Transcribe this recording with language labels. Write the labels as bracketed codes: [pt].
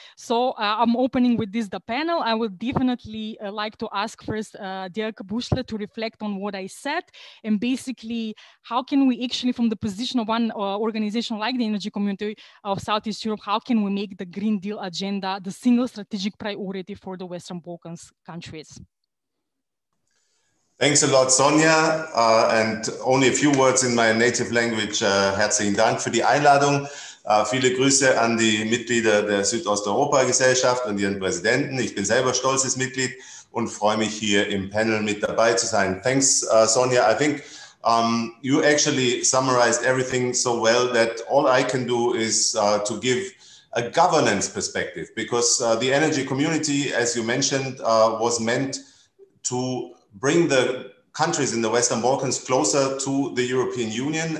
[en] So I'm opening with this the panel. I would definitely like to ask first Dirk Buschle to reflect on what I said and basically how can we actually from the position of one organization like the Energy Community of Southeast Europe, how can we make the Green Deal agenda the single strategic priority for the Western Balkans countries? Thanks a lot, Sonja. And only a few words in my native language. [de] Herzlichen Dank für die Einladung. Viele Grüße an die Mitglieder der Südosteuropa-Gesellschaft und ihren Präsidenten. Ich bin selber stolzes Mitglied und freue mich, hier im Panel mit dabei zu sein. [en] Thanks, Sonja. I think you actually summarized everything so well that all I can do is to give a governance perspective, because the energy community, as you mentioned, was meant to bring the countries in the Western Balkans closer to the European Union.